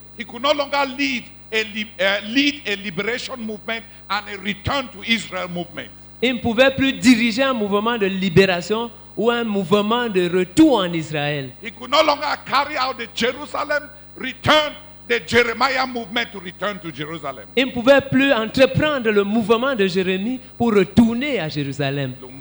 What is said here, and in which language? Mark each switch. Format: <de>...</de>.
<en>He could no longer lead a liberation movement and a return to Israel movement.</en> <fr>Il ne pouvait plus diriger un mouvement de libération ou un mouvement de retour en Israël.</fr> <en>He could no longer carry out the Jerusalem return, the Jeremiah movement to return to Jerusalem.</en> <fr>Il ne pouvait plus entreprendre le mouvement de Jérémie pour retourner à Jérusalem.</fr>